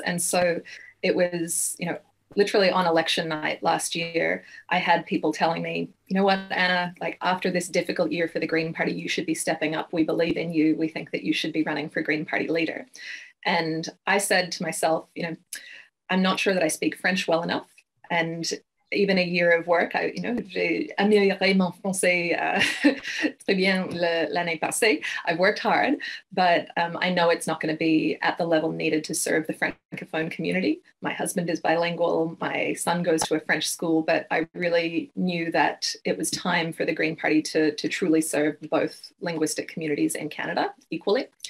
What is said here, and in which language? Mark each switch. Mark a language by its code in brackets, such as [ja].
[en] And so it was, literally on election night last year, I had people telling me, you know what, Anna, after this difficult year for the Green Party, you should be stepping up. We believe in you. We think that you should be running for Green Party leader. And I said to myself, you know, I'm not sure that I speak French well enough. And even a year of work, I, you know, [fr] j'ai amélioré mon français très bien l'année passée. [en] I've worked hard, but I know it's not going to be at the level needed to serve the Francophone community. My husband is bilingual. My son goes to a French school, but I really knew that it was time for the Green Party to truly serve both linguistic communities in Canada equally.